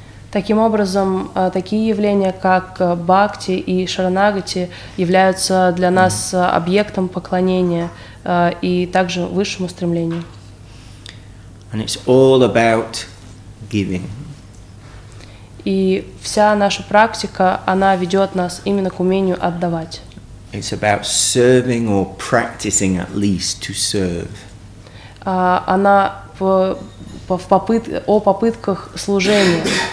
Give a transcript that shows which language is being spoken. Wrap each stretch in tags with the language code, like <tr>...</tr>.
<ru>Таким образом, такие явления, как бхакти и шаранагати, являются для нас объектом поклонения и также высшим устремлением.</ru> <en>And it's all about giving.</en> <ru>И вся наша практика, она ведет нас именно к умению отдавать.</ru> <en>It's about serving or practicing at least to serve.</en> <ru>Она в попытках служения.</ru>